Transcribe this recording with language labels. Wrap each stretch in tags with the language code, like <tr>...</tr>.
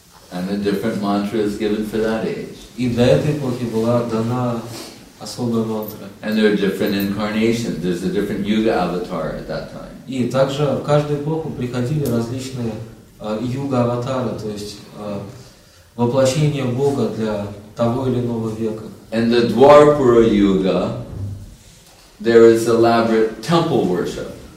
<en>And a different mantra is given for that age.</en> <ru>И для этой эпохи была дана особая мантра.</ru> <en>And there are different incarnations. There's a different yuga avatar at that time.</en> <ru>И также в каждую эпоху приходили различные юга аватары, то есть воплощение Бога для того или иного века.</ru> <en>And the Dwarpara Yuga, there is elaborate temple worship.</en>